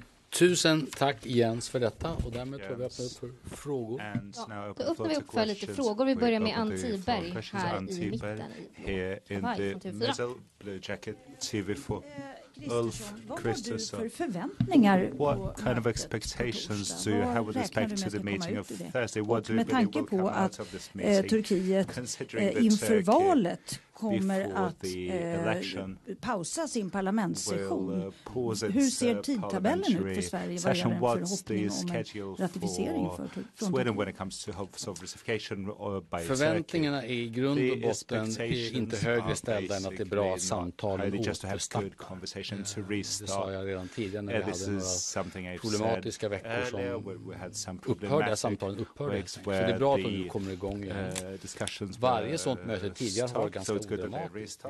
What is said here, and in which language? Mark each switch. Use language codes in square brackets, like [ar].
[sv] Tusen tack Jens för detta och därmed tar vi öppna upp för frågor. Då öppnar vi upp för lite frågor. Vi börjar med Ann Tiberg här i mitten. [en] Here in the middle, blue jacket, TV4. Ulf Kristersson, what kind of expectations do you have with respect to the meeting of Thursday? What do you think will come out of this meeting, considering that Turkey, before the election, [sv] pausa sin parlamentssession? Hur ser tidtabellen ut för Sverige vad gäller en förhoppning om ratificering för [en] Sweden when it comes to hopes of ratification by [sv] förväntningarna i grund och botten är inte högre ställda än att det är bra samtal och återstarta. [en] To restart. [sv] Det sa jag redan tidigare när vi hade några problematiska veckor som upphörde, samtalen upphörde. Så det är bra att de nu kommer igång igen. Varje sånt möte tidigare har varit ganska odramatiskt.